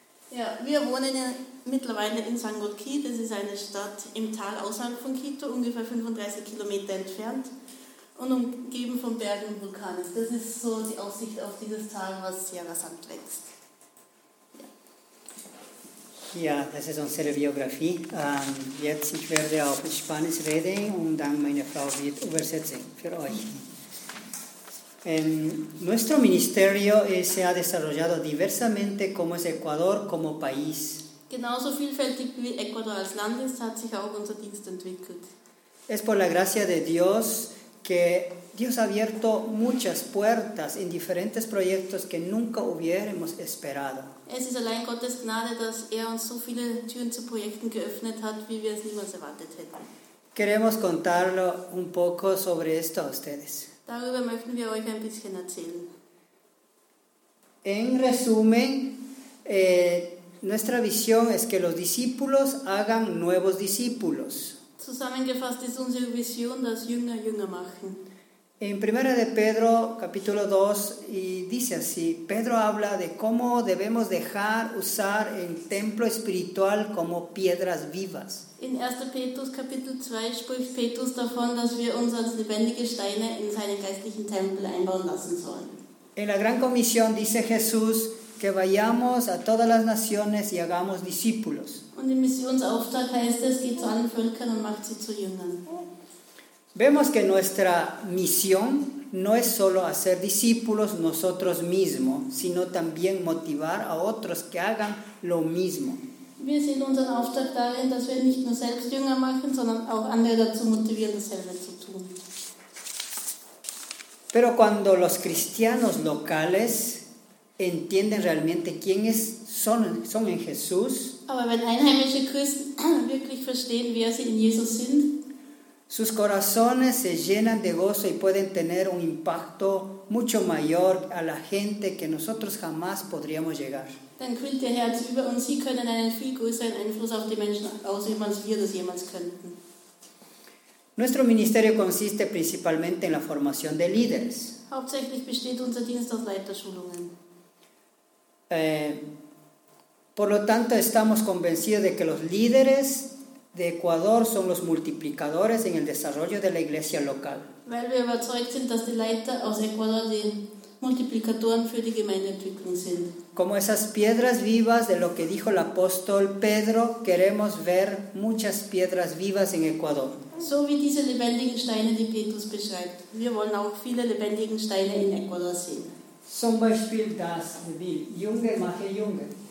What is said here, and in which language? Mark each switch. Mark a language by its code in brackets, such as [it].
[de] Ja, wir wohnen mittlerweile in San Joaquin, das ist eine Stadt im Tal außerhalb von Quito, ungefähr 35 Kilometer entfernt und umgeben von Bergen und Vulkanen. Das ist so die Aussicht auf dieses Tal, was sehr rasant wächst. Ja, ja, das ist unsere Biografie. Jetzt, ich werde auf Spanisch reden und dann meine Frau wird übersetzen für euch. [es] Nuestro ministerio se ha desarrollado diversamente como es Ecuador como país. [de] Genauso vielfältig wie Ecuador als Land ist, hat sich auch unser Dienst entwickelt. [es] Es por la gracia de Dios que Dios ha abierto muchas puertas en diferentes proyectos que nunca hubiéramos esperado. [de] Es ist allein Gottes Gnade, dass er uns so viele Türen zu Projekten geöffnet hat, wie wir es niemals erwartet hätten. [es] Queremos contarlo un poco sobre esto a ustedes. [de] Darüber möchten wir euch ein bisschen erzählen. [es] En resumen, nuestra visión es que los discípulos hagan nuevos discípulos. [de] Zusammengefasst ist unsere Vision, dass Jünger Jünger machen. [es] En Primera de Pedro, capítulo 2, y dice así, Pedro habla de cómo debemos dejar usar el templo espiritual como piedras vivas. [de] In 1. Petrus, Kapitel 2, spricht Petrus davon, dass wir uns als lebendige Steine in seinen geistlichen Tempel einbauen lassen sollen. [es] En la Gran Comisión dice Jesús que vayamos a todas las naciones y hagamos discípulos. [de] Und im Missionsauftrag heißt es, geht zu allen Völkern und macht sie zu Jüngern. [es] Vemos que nuestra misión no es solo hacer discípulos nosotros mismos, sino también motivar a otros que hagan lo mismo. [de] Wir sehen unseren Auftrag darin, dass wir nicht nur selbst Jünger machen, sondern auch andere dazu motivieren, dasselbe zu tun. [es] Pero cuando los cristianos locales entienden realmente quiénes son en Jesús, [de] aber wenn einheimische Christen wirklich verstehen, wer sie in Jesus sind, [es] sus corazones se llenan de gozo y pueden tener un impacto mucho mayor a la gente que nosotros jamás podríamos llegar. [de] Dann quillt ihr Herz über und sie können einen viel größeren Einfluss auf die Menschen ausüben, als wir das jemals könnten. [es] Nuestro ministerio consiste principalmente en la formación de líderes. [de] Hauptsächlich besteht unser Dienst aus Leiterschulungen. [es] Por lo tanto, estamos convencidos de que los líderes de Ecuador son los multiplicadores en el desarrollo de la iglesia local. [de] Weil wir überzeugt sind, dass die Leiter aus Ecuador die Multiplikatoren für die Gemeindeentwicklung sind. [es] Como esas piedras vivas de lo que dijo el apóstol Pedro, queremos ver muchas piedras vivas en Ecuador. [de] So wie diese lebendigen Steine, die Petrus beschreibt. Wir wollen auch viele lebendigen Steine in Ecuador sehen. Zum Beispiel das, wie Junge mache Junge.